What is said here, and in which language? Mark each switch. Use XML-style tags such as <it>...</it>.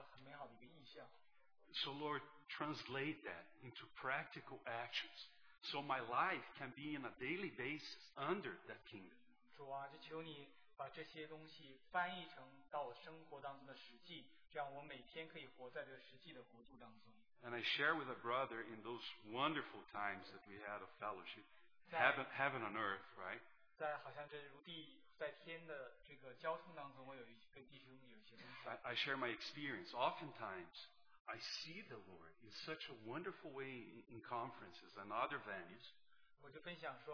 <en>So Lord, translate that into practical actions so my life can be on a daily basis under that kingdom.</en> <zh>主啊,就求你把这些东西翻译成到我生活当中的实际, 这样我每天可以活在这个实际的国度当中。</zh> <en>And I share with a brother in those wonderful times that we had of fellowship, heaven on earth, right? I share my experience. Oftentimes, I see the Lord in such a wonderful way in conferences and other venues.</en>